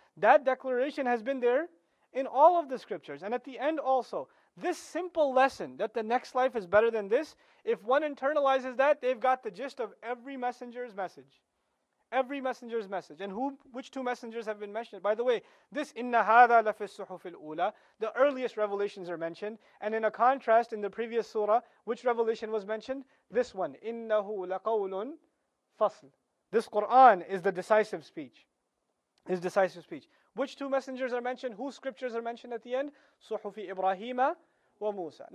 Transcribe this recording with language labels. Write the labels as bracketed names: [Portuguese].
[English] That declaration has been there in all of the scriptures. And at the end also, this simple lesson that the next life is better than this, if one internalizes that, they've got the gist of every messenger's message. Every messenger's message. And which two messengers have been mentioned? By the way, this [Arabic] إِنَّ هَذَا لَفِي الصُّحُفِ الْأُولَى. [English] The earliest revelations are mentioned. And in a contrast, in the previous surah, which revelation was mentioned? This one. [Arabic] إِنَّهُ لَقَوْلٌ فَصْلٌ. [English] This Qur'an is the decisive speech. Is decisive speech. Which two messengers are mentioned? Whose scriptures are mentioned at the end? Suhufi Ibrahim wa Musa.